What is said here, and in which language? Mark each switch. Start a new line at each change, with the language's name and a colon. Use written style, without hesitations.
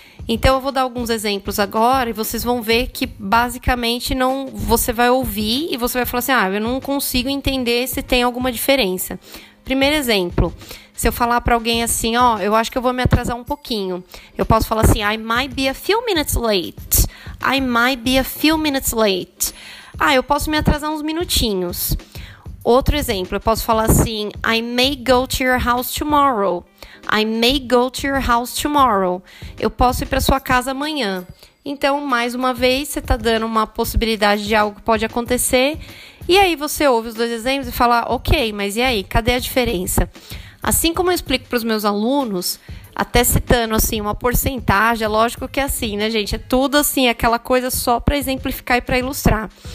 Portuguese: Então, eu vou dar alguns exemplos agora e vocês vão ver que, basicamente, não, você vai ouvir e você vai falar assim, ah, eu não consigo entender se tem alguma diferença. Primeiro exemplo, se eu falar para alguém assim, ó, eu acho que eu vou me atrasar um pouquinho. Eu posso falar assim,
English: I might be a few minutes late. I might be a few minutes late.
Portuguese: Ah, eu posso me atrasar uns minutinhos. Outro exemplo, eu posso falar assim,
English: I may go to your house tomorrow. I may go to your house tomorrow.
Portuguese: Eu posso ir para sua casa amanhã. Então, mais uma vez, você está dando uma possibilidade de algo que pode acontecer. E aí você ouve os dois exemplos e fala, ok, mas e aí, cadê a diferença? Assim como eu explico para os meus alunos, até citando assim uma porcentagem, é lógico que é assim, né, gente? É tudo assim, aquela coisa só para exemplificar e para ilustrar.